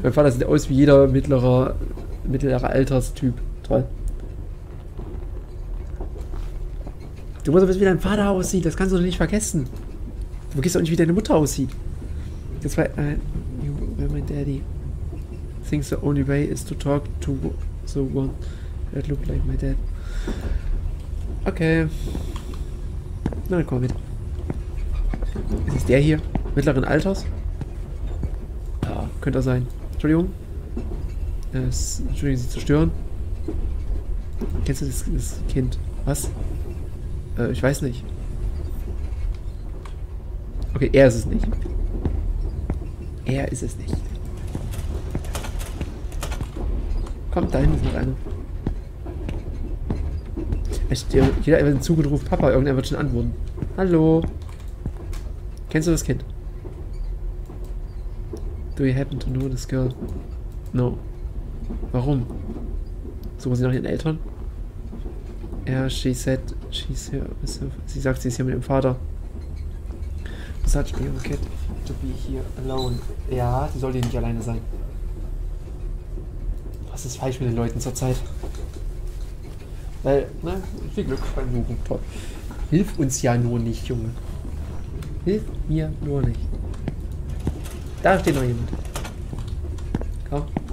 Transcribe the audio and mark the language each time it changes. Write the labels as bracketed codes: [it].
[de] Mein Vater sieht aus wie jeder mittlerer Alterstyp. Toll. Du musst doch wissen, wie dein Vater aussieht. Das kannst du doch nicht vergessen. Du vergisst doch nicht, wie deine Mutter aussieht. Das war... [en] you were my daddy. Think the only way is to talk to the one that looked like my dad. [de] Okay. Na, dann komm mit. Ist es der hier? Mittleren Alters? Ja, könnte er sein. Entschuldigung. Entschuldigung, sie zu stören. Kennst du das Kind? Was? Ich weiß nicht. Okay, er ist es nicht. Er ist es nicht. Komm, da hinten ist noch einer. Jeder hat den Zug und ruft Papa, irgendwer wird schon antworten. Hallo. Kennst du das Kind? [en] Do you happen to know this girl? No. [de] Warum? Suchen sie nach ihren Eltern? [en] Ja, yeah, she said she's here with her. [de] Sie sagt, sie ist hier mit ihrem Vater. [en] Such a young kid to be here alone. [de] Ja, sie sollte nicht alleine sein. Was ist falsch mit den Leuten zurzeit? Weil, ne, viel Glück beim Suchen. Toll. Hilf uns ja nur nicht, Junge. Hilf mir nur nicht. Da steht noch jemand. Komm.